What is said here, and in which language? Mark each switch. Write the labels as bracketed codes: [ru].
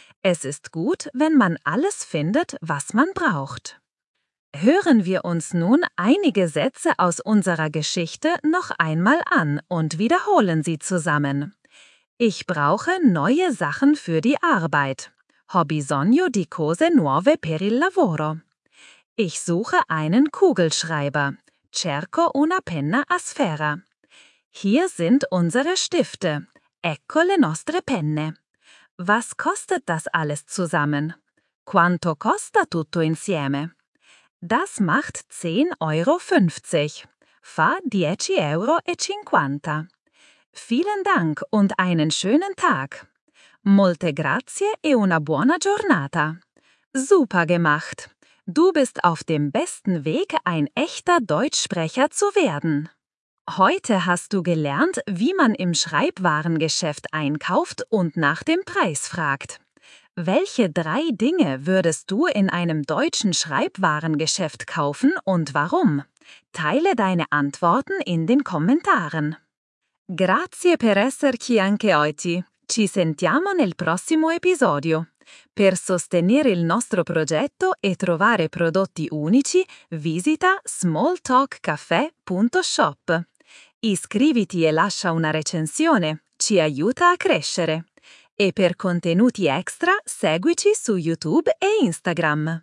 [de] Es ist gut, wenn man alles findet, was man braucht. Hören wir uns nun einige Sätze aus unserer Geschichte noch einmal an und wiederholen sie zusammen. Ich brauche neue Sachen für die Arbeit. [it] Ho bisogno di cose nuove per il lavoro. [de] Ich suche einen Kugelschreiber. [it] Cerco una penna a sfera. [de] Hier sind unsere Stifte. [it] Ecco le nostre penne. [de] Was kostet das alles zusammen? [it] Quanto costa tutto insieme? [de] Das macht 10,50 Euro. [it] Fa 10,50 Euro. [de] Vielen Dank und einen schönen Tag. [it] Molte grazie e una buona giornata. [de] Super gemacht. Du bist auf dem besten Weg, ein echter Deutschsprecher zu werden. Heute hast du gelernt, wie man im Schreibwarengeschäft einkauft und nach dem Preis fragt. Welche drei Dinge würdest du in einem deutschen Schreibwarengeschäft kaufen und warum? Teile deine Antworten in den Kommentaren. [it] Grazie per esserci anche oggi. Ci sentiamo nel prossimo episodio. Per sostenere il nostro progetto e trovare prodotti unici, visita smalltalkcafè.shop. Iscriviti e lascia una recensione, ci aiuta a crescere. E per contenuti extra, seguici su YouTube e Instagram.